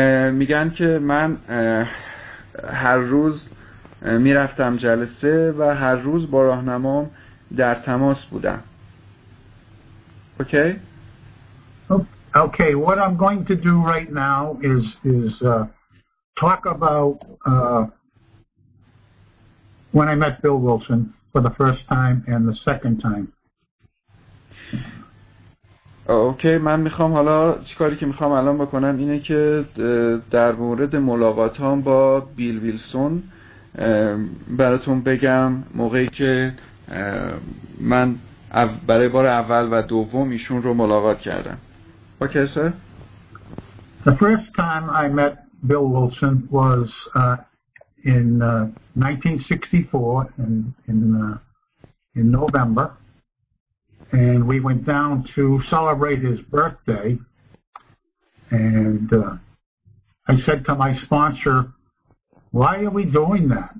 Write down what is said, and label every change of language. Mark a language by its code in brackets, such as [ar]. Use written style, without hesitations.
[fa] میگن که من هر روز میرفتم جلسه و هر روز با راهنمام در تماس بودم. [en] Okay? Okay, what I'm going to do right now is talk about when I met Bill Wilson for the first time and the second time. [fa] Okay, من میخوام حالا چیکاری که میخوام الان بکنم اینه که در مورد ملاقاتام با بیل ویلسون براتون بگم. موقعی که من برای بار اول و دوم ایشون رو ملاقات کردم. [en] Okay, sir. The first time I met Bill Wilson was in 1964 in November, and we went down to celebrate his birthday, and I said to my sponsor, why are we doing that?